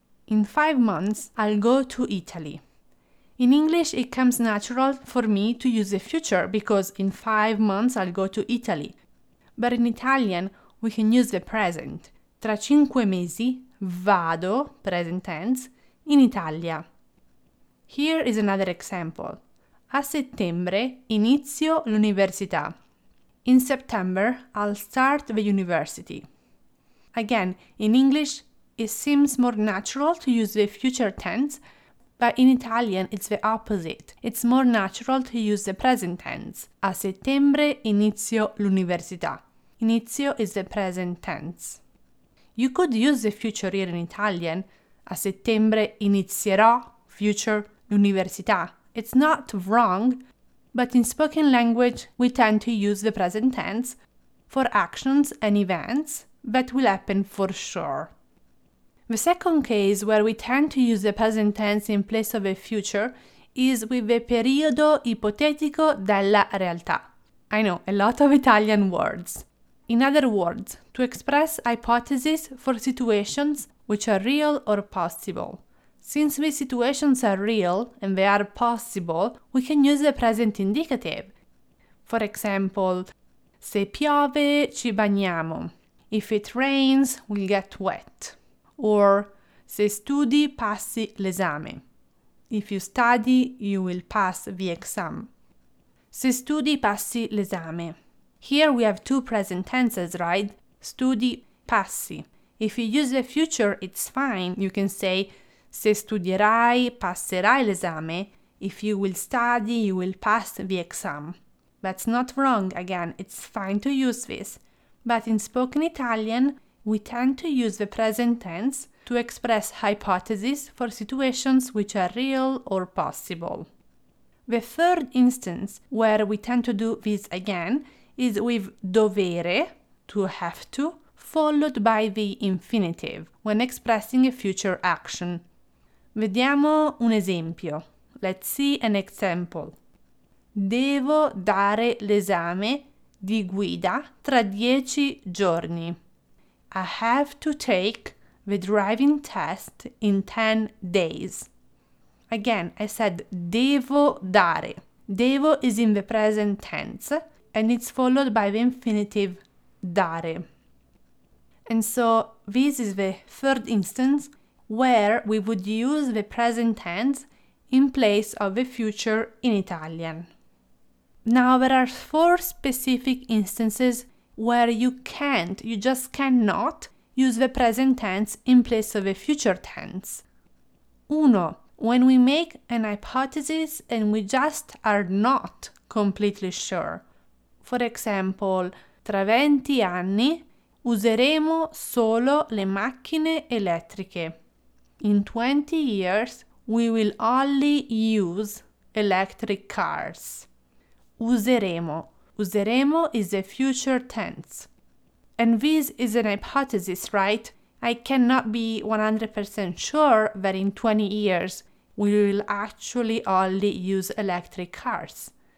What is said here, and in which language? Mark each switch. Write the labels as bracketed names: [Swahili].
[English] In 5 months, I'll go to Italy. In English, it comes natural for me to use the future because in 5 months, I'll go to Italy. But in Italian, we can use the present. [Italian] Tra 5 mesi vado, [English] present tense, [Italian] in Italia. [English] Here is another example. [Italian] A settembre inizio l'università. [English] In September, I'll start the university. Again, in English, it seems more natural to use the future tense, but in Italian, it's the opposite. It's more natural to use the present tense. [Italian] A settembre inizio l'università. [English] Inizio is the present tense. You could use the future here in Italian. [Italian] A settembre inizierò, future, l'università. [English] It's not wrong, but in spoken language, we tend to use the present tense for actions and events that will happen for sure. The second case where we tend to use the present tense in place of the future is with the [Italian] periodo ipotetico della realtà. [English] I know, a lot of Italian words. In other words, to express hypotheses for situations which are real or possible. Since these situations are real and they are possible, we can use the present indicative. For example, [Italian] se piove ci bagniamo. [English] If it rains, we'll get wet. Or [Italian] se studi passi l'esame. [English] If you study, you will pass the exam. [Italian] Se studi passi l'esame. [English] Here we have two present tenses, right? [Italian] Studi passi. [English] If you use the future, it's fine. You can say [Italian] se studierai, passerai l'esame. [English] If you will study, you will pass the exam. That's not wrong. Again, it's fine to use this. But in spoken Italian, we tend to use the present tense to express hypotheses for situations which are real or possible. The third instance where we tend to do this again is with dovere, to have to, followed by the infinitive, when expressing a future action. [Italian] Vediamo un esempio. [English] Let's see an example. [Italian] Devo dare l'esame di guida tra 10 giorni. [English] I have to take the driving test in 10 days. Again, I said [Italian] devo dare. [English] Devo is in the present tense and it's followed by the infinitive dare. And so this is the third instance where we would use the present tense in place of the future in Italian. Now, there are four specific instances where you can't, you just cannot use the present tense in place of a future tense. Uno, when we make an hypothesis and we just are not completely sure. For example, [Italian] tra 20 anni useremo solo le macchine elettriche. [English] In 20 years, we will only use electric cars. Useremo. Useremo is a future tense. And this is an hypothesis, right? I cannot be 100% sure that in 20 years, we will actually only use electric cars.